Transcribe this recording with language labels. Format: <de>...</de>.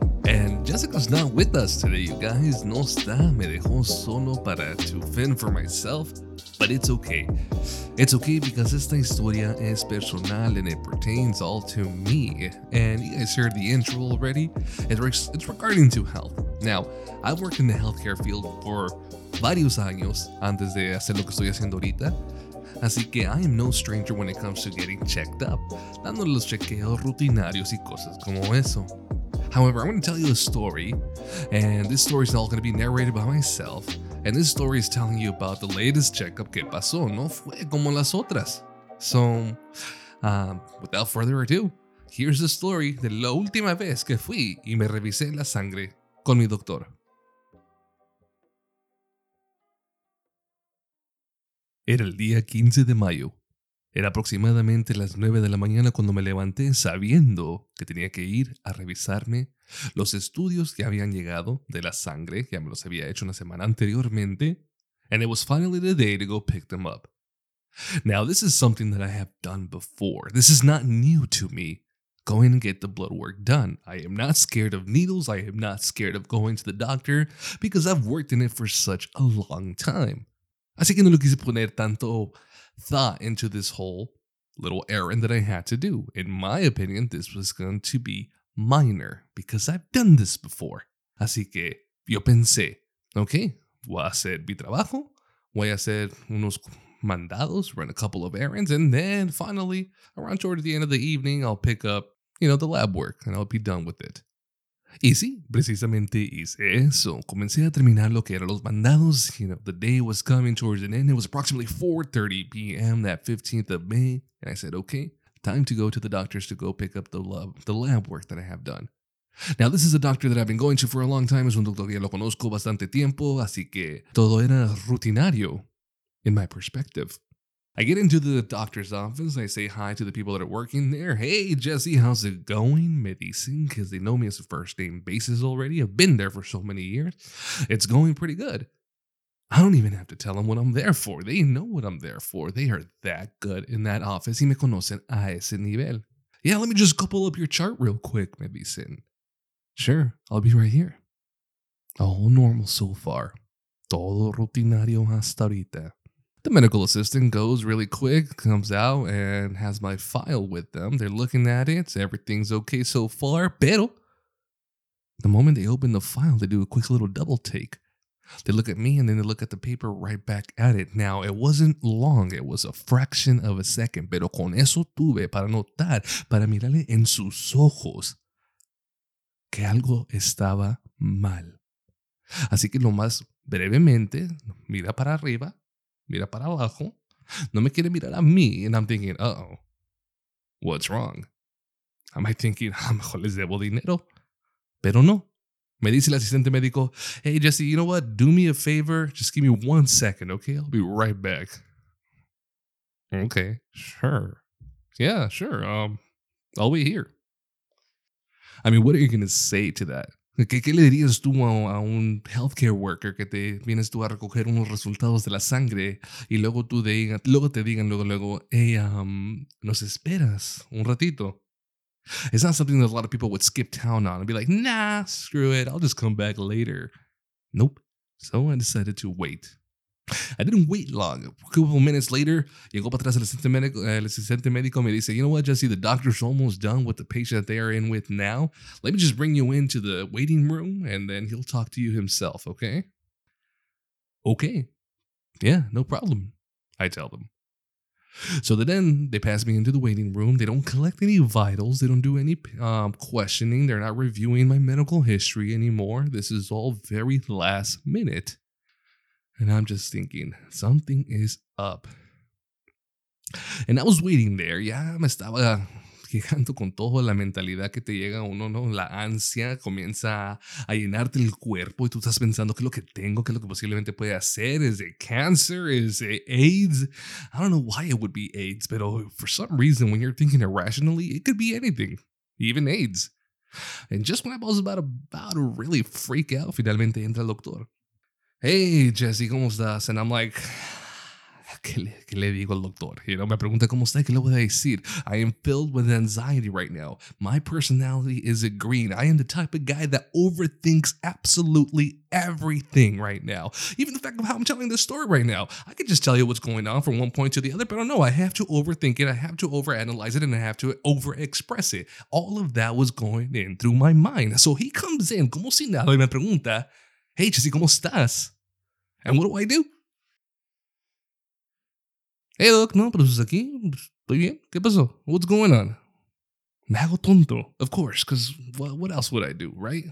<en>And Jessica's not with us today, you guys.</en> <es>No está. Me dejó solo para</es> <en>to fend for myself. But it's okay. It's okay because</en> <es>esta historia es personal</es> <en>and it pertains all to me. And you guys heard the intro already. It's regarding to health. Now, I've worked in the healthcare field for</en> <es>varios años antes de hacer lo que estoy haciendo ahorita. Así que</es> <en>I am no stranger when it comes to getting checked up,</en> <es>dándole los chequeos rutinarios y cosas como eso.</es> <en>However, I'm going to tell you a story, and this story is all going to be narrated by myself, and this story is telling you about the latest checkup</en> <es>que pasó, no fue como las otras.</es> <en>So, without further ado, here's the story</en> <es>de la última vez que fui y me revisé la sangre con mi doctor. Era el día 15 de mayo. Era aproximadamente las 9 de la mañana cuando me levanté sabiendo que tenía que ir a revisarme. Los estudios que habían llegado de la sangre, ya me los había hecho una semana anteriormente.</es> <en>And it was finally the day to go pick them up. Now, this is something that I have done before. This is not new to me. Going to get the blood work done. I am not scared of needles. I am not scared of going to the doctor because I've worked in it for such a long time.</en> <es>Así que no le quise poner tanto</es> <en>thought into this whole little errand that I had to do. In my opinion, this was going to be minor because I've done this before.</en> <es>Así que yo pensé, okay, voy a hacer mi trabajo, voy a hacer unos mandados,</es> <en>run a couple of errands, and then finally, around toward the end of the evening, I'll pick up, you know, the lab work and I'll be done with it.</en> <es>Y sí, precisamente hice eso. Comencé a terminar lo que eran los mandados.</es> <en>You know, the day was coming towards an end. It was approximately 4:30 p.m. that 15th of May. And I said, okay, time to go to the doctors to go pick up the lab work that I have done. Now, this is a doctor that I've been going to for a long time.</en> <es>Es un doctor que ya lo conozco bastante tiempo. Así que todo era rutinario</es> <en>in my perspective. I get into the doctor's office. I say hi to the people that are working there. Hey, Jesse, how's it going?</en> <es>Me dicen,</es> <en>because they know me as a first name basis already. I've been there for so many years. It's going pretty good. I don't even have to tell them what I'm there for. They know what I'm there for. They are that good in that office.</en> <es>Y me conocen a ese nivel.</es> <en>Yeah, let me just couple up your chart real quick,</en> <es>me dicen.</es> <en>Sure, I'll be right here. All normal so far.</en> <es>Todo rutinario hasta ahorita.</es> <en>The medical assistant goes really quick, comes out, and has my file with them. They're looking at it. Everything's okay so far. Pero, the moment they open the file, they do a quick little double take. They look at me, and then they look at the paper right back at it. Now, it wasn't long. It was a fraction of a second.</en> <es>Pero con eso tuve para notar, para mirarle en sus ojos, que algo estaba mal. Así que lo más brevemente, mira para arriba. Mira para abajo. No me quiere mirar a mí.</es> <en>And I'm thinking, uh-oh, what's wrong? Am I thinking,</en> <es>a mejor les debo dinero? Pero no. Me dice el asistente médico,</es> <en>hey, Jesse, you know what? Do me a favor. Just give me 1 second, okay? I'll be right back. Okay, sure. Yeah, sure. I'll be here. I mean, what are you going to say to that?</en> <es>¿Qué le dirías tú a un healthcare worker que te vienes tú a recoger unos resultados de la sangre y luego tú te digan, hey, nos esperas un ratito?</es> <en>It's not something that a lot of people would skip town on and be like, nah, screw it, I'll just come back later. Nope. So I decided to wait. I didn't wait long. A couple of minutes later,</en> <es>llegó para atrás el asistente médico me dice,</es> <en>you know what, Jesse, the doctor's almost done with the patient that they are in with now. Let me just bring you into the waiting room and then he'll talk to you himself, okay? Okay. Yeah, no problem, I tell them. So then they pass me into the waiting room. They don't collect any vitals. They don't do any questioning. They're not reviewing my medical history anymore. This is all very last minute. And I'm just thinking, something is up. And I was waiting there.</en> <es>Ya me estaba quejando con todo la mentalidad que te llega a uno, ¿no? La ansia comienza a llenarte el cuerpo y tú estás pensando, ¿qué es lo que tengo? ¿Qué es lo que posiblemente puede hacer? ¿Es de cancer? ¿Es de AIDS?</es> <en>I don't know why it would be AIDS, pero for some reason, when you're thinking irrationally, it could be anything, even AIDS. And just when I was about to really freak out,</en> <es>finalmente entra el doctor. Hey, Jesse, ¿cómo estás?</es> <en>And I'm like,</en> <es>¿Qué le digo al doctor?</es> <en>You know,</en> <es>me pregunta cómo está, ¿qué le voy a decir?</es> <en>I am filled with anxiety right now. My personality is a green. I am the type of guy that overthinks absolutely everything right now. Even the fact of how I'm telling this story right now. I can just tell you what's going on from one point to the other, but I don't know. I have to overthink it. I have to overanalyze it, and I have to overexpress it. All of that was going in through my mind. So he comes in,</en> <es>como si nada, y me pregunta,</es> <en>hey, Jesse,</en> <es>¿cómo estás?</es> <en>And what do? Hey, Doc,</en> <es>no, pero aquí, estoy bien. ¿Qué pasó?</es> <en>What's going on?</en> <es>Me hago tonto.</es> <en>Of course, because what else would I do, right?</en>